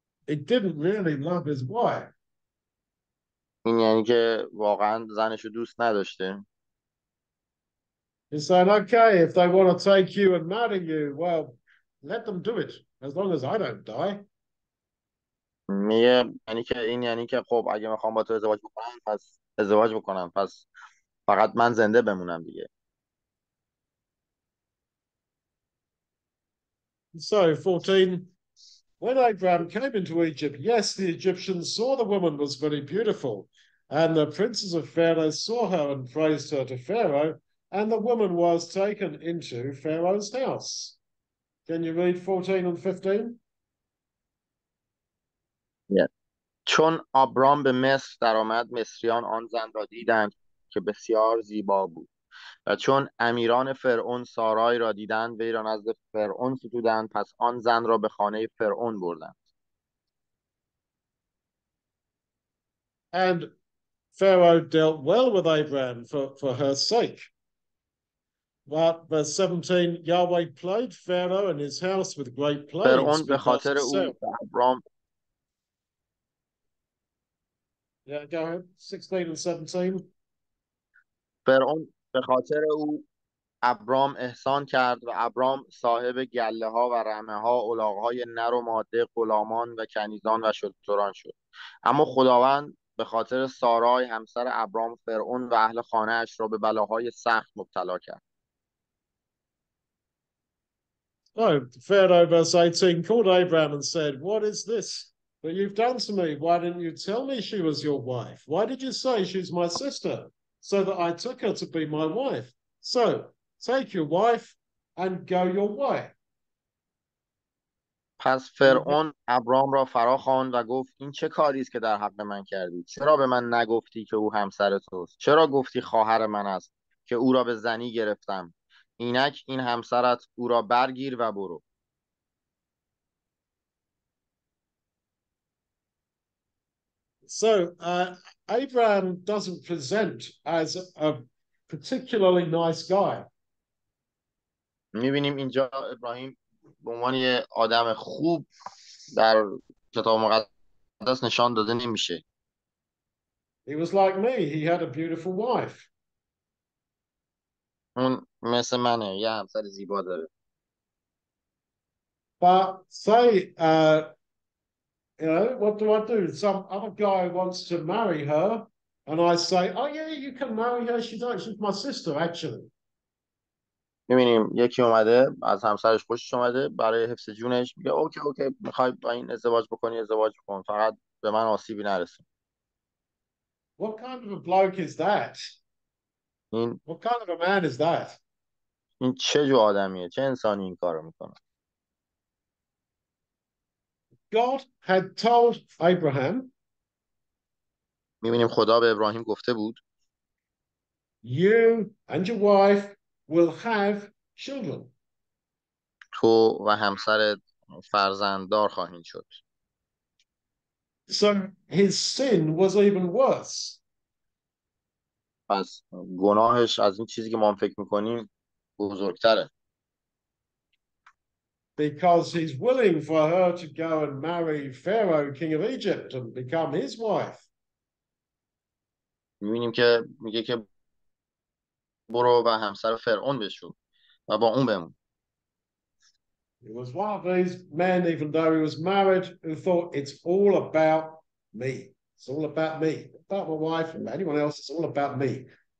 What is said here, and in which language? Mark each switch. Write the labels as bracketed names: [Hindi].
[English] It didn't really love his wife. [Persian] این یعنی که واقعا زنشو دوست نداشته. [English] He said, okay, if they want to take you and marry you, well, let them do it, as long as I don't die. [Persian] میگه یعنی که این یعنی که خب اگه میخوام با تو ازدواج بکنم پس ازدواج بکنم پس فقط من زنده بمونم دیگه. [English] So, 14. When Abraham came into Egypt, yes, the Egyptians saw the woman was very beautiful, and the princes of Pharaoh saw her and praised her to Pharaoh, and the woman was taken into Pharaoh's house. Can you read 14 and 15? Yeah. [Persian] چون آبرام به مصر درآمد، مصریان آن زن را دیدند که بسیار زیبا بود. و چون امیران فرعون سارای را دیدند وی را نزد فرعون ستودند، پس آن زن را به خانه فرعون بردند. [English] And Pharaoh dealt well with Abraham for her sake. But verse 17, Yahweh plagued Pharaoh and his house with great plagues. [Persian] فرعون به خاطر او [English] Yeah, go ahead. 16 and 17. [Persian] فرعون به خاطر او ابرام احسان کرد و ابرام صاحب گله ها و رمه ها الاغ های نر و ماده غلامان و کنیزان و شتران شد. اما خداوند به خاطر سارای همسر ابرام فرعون و اهل خانه اش را به بلاهای سخت مبتلا کرد. [English] Oh, Pharaoh, verse 18, called Abraham and said, "What is this that you've done to me? Why didn't you tell me she was your wife? Why did you say she's my sister, so that I took her to be my wife? So take your wife and go your way." [Persian] پس فرعون ابرام را فرا خواند و گفت این چه کاری است که در حق من کردی؟ چرا به من نگفتی که او همسر توست؟ چرا گفتی خواهر من است که او را به زنی گرفتم؟ اینک این همسرت او را برگیر و برو. [English] So Abraham doesn't present as a particularly nice guy. [Persian] می‌بینیم اینجا ابراهیم به عنوان یه آدم خوب در کتاب مقدس نشان داده نمیشه. [English] He was like me. He had a beautiful wife. [Persian] اون مثل منه، یه همسر زیبا داره. [English] But say, you know, what do I do? Some other guy wants to marry her, and I say, oh yeah, you can marry her. She's my sister, actually. [Persian] می‌بینیم یکی اومده از همسرش خوشش اومده برای حفظ جونش میگه اوکی اوکی میخوای با این ازدواج بکنی ازدواج بکن فقط به من آسیبی نرسون. [English] What kind of a bloke is that? What kind of a man is that? [Persian] این چه جو آدمیه؟ چه انسانی این کارو میکنه؟ [English] God had told Abraham, [Persian] می‌بینیم خدا به ابراهیم گفته بود [English] you and your wife will have children. [Persian] تو و همسرت فرزنددار خواهید شد. [English] So his sin was even worse. [Persian] پس گناهش از این چیزی که ما فکر میکنیم بزرگتره. [English] Because he's willing for her to go and marry Pharaoh, king of Egypt, and become his wife. [Persian] می‌بینیم که میگه که برو و همسر فرعون بشو و با اون بمون. [English] He was one of these men, even though he was married, who thought it's all about me. It's all about me. About my wife and anyone else, it's all about me.